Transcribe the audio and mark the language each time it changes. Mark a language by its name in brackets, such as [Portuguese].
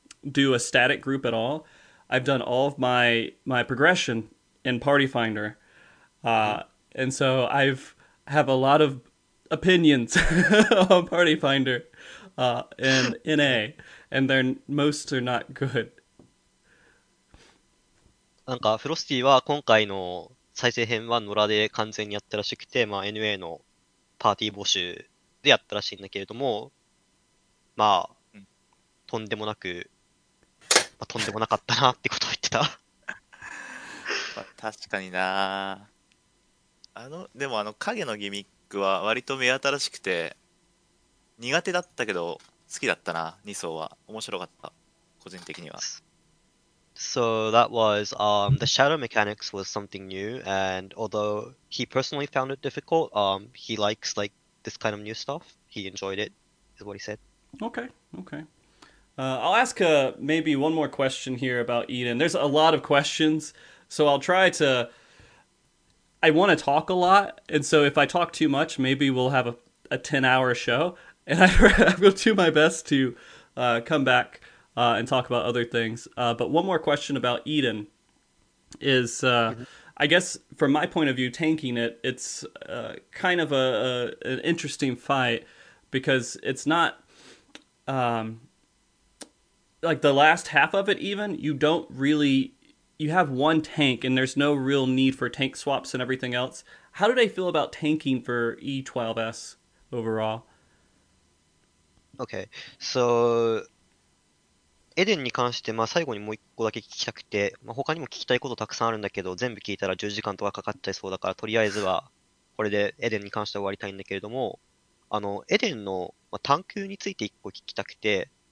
[English] do a static group at all. I've done all of my progression in Party Finder. And so have a lot of opinions on Party Finder and NA, and most are not good. [Japanese] なんかフロスティは今回の再生編は野良で完全にやったらしくて、まあ、NA のパーティー募集でやったらしいんだけれども、まあ、とんでもなく、まあ、とんでもなかったなってことを言ってた。まあ、確かにな。でもあの影のギミックは割と目新しくて、苦手だったけど好きだったな、2層は。面白かった、個人的には。 [English] So that was the shadow mechanics was something new, and although he personally found it difficult, he likes like this kind of new stuff. He enjoyed it, is what he said. Okay. I'll ask maybe one more question here about Eden. There's a lot of questions, so I'll try to. I want to talk a lot, and so if I talk too much, maybe we'll have a 10-hour show, and I will do my best to come back. And talk about other things. But one more question about Eden is, I guess from my point of view, tanking it, it's kind of an interesting fight because it's not, like the last half of it even, you have one tank and there's no real need for tank swaps and everything else. How do they feel about tanking for E12S overall? [Japanese] Okay, so エデンに関して、まあ、最後にもう一個だけ聞きたくて、まあ、他にも聞きたいことたくさんあるんだけど、全部聞いたら10時間とかかかっちゃいそうだから、とりあえずは、これでエデンに関しては終わりたいんだけれども、エデンの、まあ、探求について一個聞きたくて、